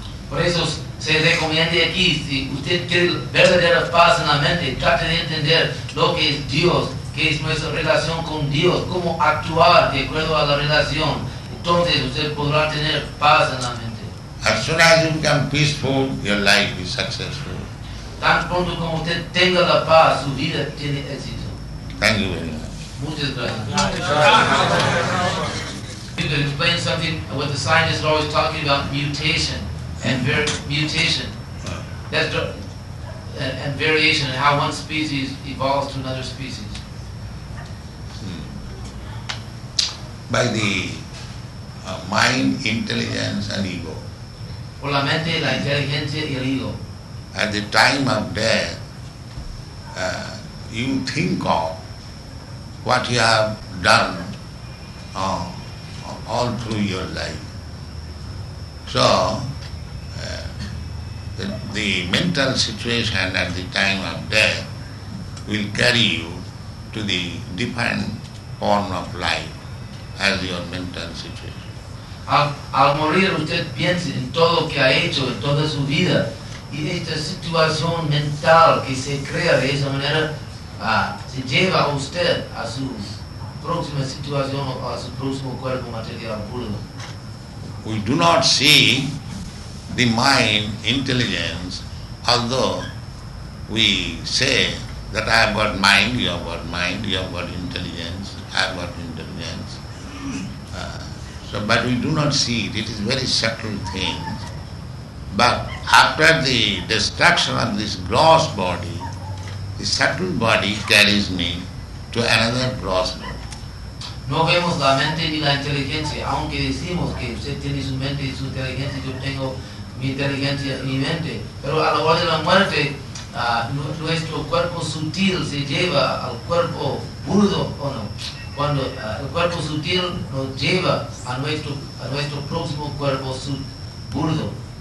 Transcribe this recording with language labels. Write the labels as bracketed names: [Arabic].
[Spanish] Por eso se recomienda aquí, si usted quiere verdadera paz en la mente, trate de entender lo que es Dios, que es nuestra relación con Dios, cómo actuar de acuerdo a la relación. Entonces usted podrá tener paz en la mente. [English] As soon as you become peaceful, your life is successful. [Spanish] Tan pronto como usted tenga la paz, su vida tiene éxito. [English] Thank you very much. You can explain something what the scientists are always talking about, mutation and mutation. That's and variation, and how one species evolves to another species. By the mind, intelligence, and ego. [Spanish] Por la mente, la inteligencia y el ego. [English] At the time of death, you think of what you have done all through your life. So, the mental situation at the time of death will carry you to the different form of life as your mental situation. [Spanish] Al morir, usted piensa en todo lo que ha hecho en toda su vida, y esta situación mental que se crea de esa manera se lleva a usted a su próxima situación, a su próximo cuerpo material puro. [English] We do not see the mind, intelligence, although we say that I have got mind, you have got mind, you have got intelligence, I have got intelligence. But we do not see it. It is very subtle thing. But after the destruction of this gross body, the subtle body carries me to another gross body. [Spanish] No vemos la mente ni la inteligencia, aunque decimos que usted tiene su mente y su inteligencia, yo tengo mi inteligencia y mi mente. Pero a la hora de la muerte, nuestro cuerpo sutil se lleva al cuerpo burdo, ¿o no? Cuando el cuerpo sutil nos lleva a nuestro próximo cuerpo burdo.